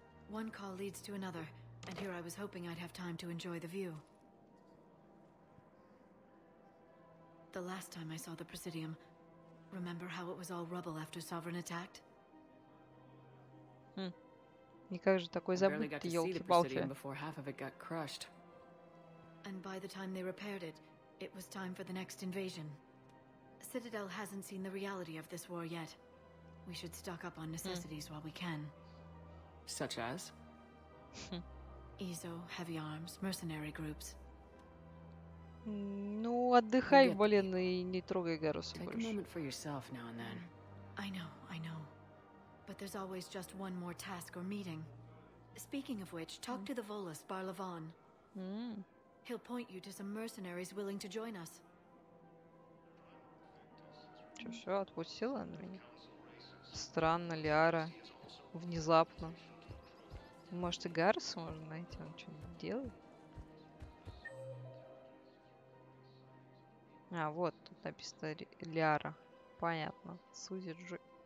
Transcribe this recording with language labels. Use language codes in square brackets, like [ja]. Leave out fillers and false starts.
[en] One call leads to another, and here I was hoping I'd have time to enjoy the view. The last time I saw the Presidium, remember how it was all rubble after Sovereign attacked? [ru] И как же такой забыть, ёлки-палки. [en] And by the time they repaired it, it was time for the next invasion. Citadel hasn't seen the reality of this war yet. We should stock up on necessities while we can. Such as? Изо, heavy arms, mercenary groups. [ru] Ну, отдыхай, блин, и не трогай Гарусу больше. [en] Take a moment for yourself now and then. I know, I know. But there's always just one more task or meeting. Speaking of which, talk to the Volus Barlavon. He'll point you to some mercenaries willing to join us. [ru] Что, все, отпустила она меня? Странно, Лиара. Внезапно. Может, и Гаррис можно найти, он что-нибудь делает? А, вот, тут написано Лиара. Понятно. Сузи Джой.